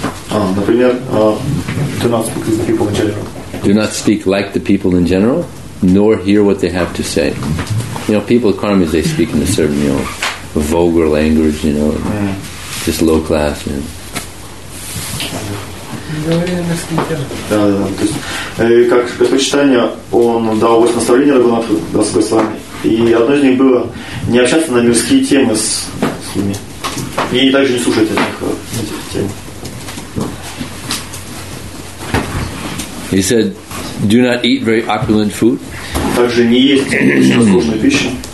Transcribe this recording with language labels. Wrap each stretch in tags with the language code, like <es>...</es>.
<en>Do not speak like the people in general, nor hear what they have to say. You know, people of karmas, they speak in a certain, you know, vulgar language, you know, just low class. You know.</en> <ru>Да, да, да. То есть, как предпочитание, он дал 8 наставлений Рагунатху Дас Госвами. И одно из них было не общаться на мирские темы с ними. И также не слушать этих тем.</ru> <en>He said, do not eat very opulent food.</en> <ru>Также не есть сложную пищу.</ru>